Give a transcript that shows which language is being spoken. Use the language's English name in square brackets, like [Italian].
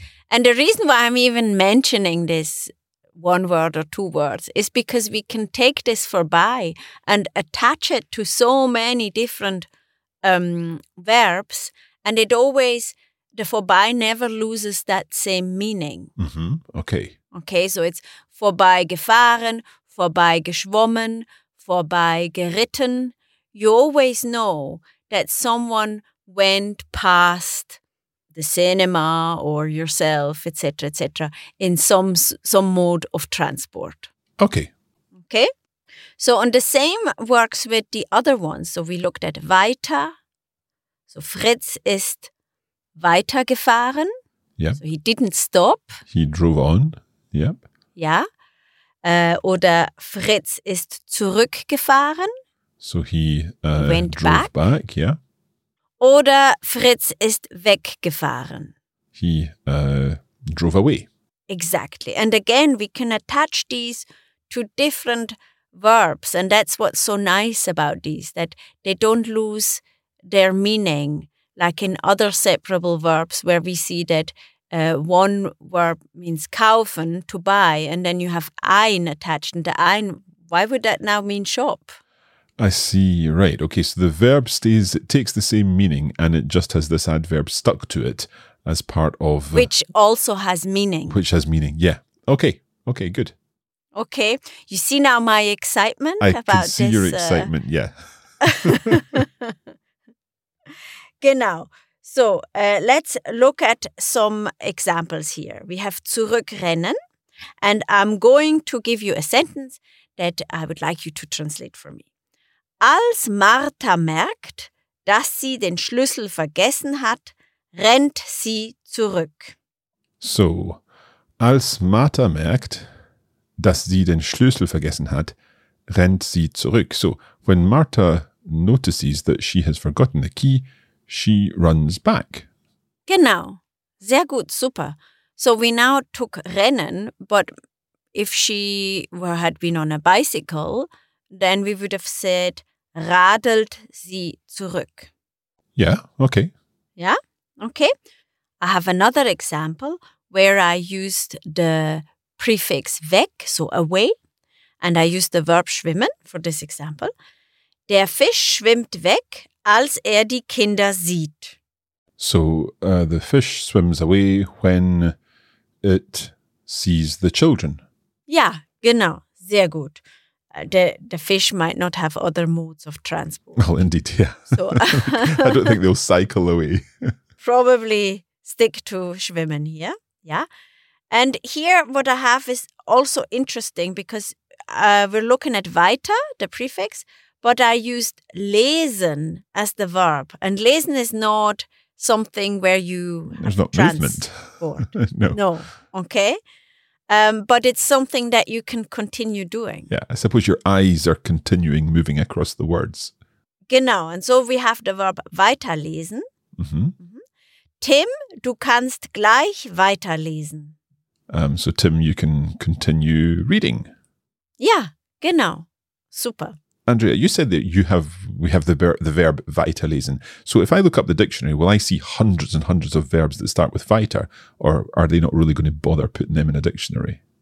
[English] And the reason why I'm even mentioning this one word or two words is because we can take this for by and attach it to so many different verbs. And it always, the for by never loses that same meaning. Mm-hmm. Okay. Okay, so it's vorbeigefahren, vorbeigeschwommen, vorbeigeritten. you always know that someone went past the cinema or yourself, etc., etc., in some mode of transport. Okay. Okay. So, and the same works with the other ones. So, we looked at weiter. [German] So, Fritz ist weitergefahren. [English] Yeah. So, he didn't stop. He drove on. Yep. Yeah. [German] Oder Fritz ist zurückgefahren. [English] So, he drove back. Yeah. [German] Oder Fritz ist weggefahren. [English] He drove away. Exactly. And again, we can attach these to different verbs. And that's what's so nice about these, that they don't lose their meaning like in other separable verbs where we see that one verb means kaufen, to buy, and then you have ein attached. And the ein, why would that now mean shop? I see, right. Okay, so the verb stays, it takes the same meaning and it just has this adverb stuck to it as part of... Which also has meaning. Which has meaning, yeah. Okay, good. Okay, you see now my excitement about this? I can see your excitement, yeah. [German] Genau. [English] So, let's look at some examples here. We have zurückrennen, and I'm going to give you a sentence that I would like you to translate for me. [German] Als Martha merkt, dass sie den Schlüssel vergessen hat, rennt sie zurück. So, als Martha merkt, dass sie den Schlüssel vergessen hat, rennt sie zurück. [English] So, when Martha notices that she has forgotten the key, she runs back. [German] Genau. Sehr gut, super. [English] So we now took rennen, but if she had been on a bicycle, then we would have said, [German] radelt sie zurück. [English] Yeah, okay. Yeah, okay. I have another example where I used the prefix weg, so away, and I used the verb schwimmen for this example. [German] Der Fisch schwimmt weg, als die Kinder sieht. [English] So, the fish swims away when it sees the children. [German] Yeah, genau. Sehr gut. [English] The fish might not have other modes of transport. Well, indeed, yeah. So, I don't think they'll cycle away. Probably stick to schwimmen here, yeah. And here what I have is also interesting because we're looking at weiter, the prefix, but I used lesen as the verb. And lesen is not something where you have not movement. No. Okay. But it's something that you can continue doing. Yeah, I suppose your eyes are continuing moving across the words. Genau. And so we have the verb weiterlesen. Mm-hmm. Mm-hmm. [German] Tim, du kannst gleich weiterlesen. [English] So Tim, you can continue reading. [German] Yeah, genau. Super. [English] Andrea, you said that we have the verb weiterlesen. So if I look up the dictionary, will I see hundreds and hundreds of verbs that start with weiter, or are they not really going to bother putting them in a dictionary?